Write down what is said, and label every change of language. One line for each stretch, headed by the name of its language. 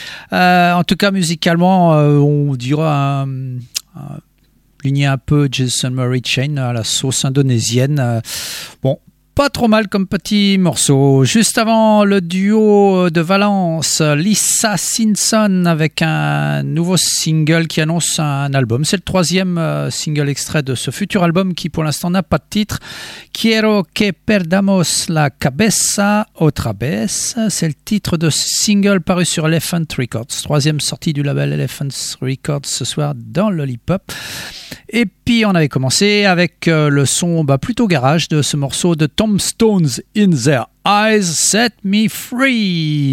French: En tout cas, musicalement, on dira ligné un peu Jason Murray Chain à la sauce indonésienne. Bon. Pas trop mal comme petit morceau. Juste avant, le duo de Valence, Lisa Simpson, avec un nouveau single qui annonce un album. C'est le troisième single extrait de ce futur album qui, pour l'instant, n'a pas de titre.
Spanish: Quiero que perdamos la cabeza otra vez.
French: C'est le titre de single paru sur Elephant Records. Troisième sortie du label Elephant Records ce soir dans Lollipop. Et puis, on avait commencé avec le son plutôt garage de ce morceau de Tombstones in Their Eyes Set Me Free.